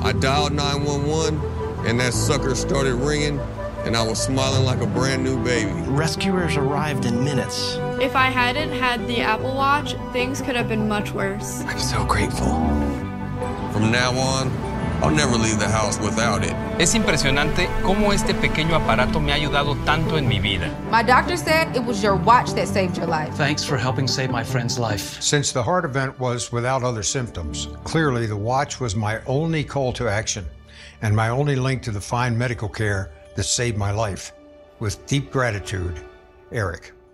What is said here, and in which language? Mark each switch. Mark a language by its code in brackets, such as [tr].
[en] I dialed 911, and that sucker started ringing, and I was smiling like a brand new baby. Rescuers arrived in minutes. If I hadn't had the Apple Watch, things could have been much worse. I'm so grateful. From now on, I'll never leave the house without it. [es] Es impresionante cómo este pequeño aparato me ha ayudado tanto en mi vida. [en] My doctor said it was your watch that saved your life. Thanks for helping save my friend's life. Since the heart event was without other symptoms, clearly the watch was my only call to action and my only link to the fine medical care that saved my life. With deep gratitude, Eric.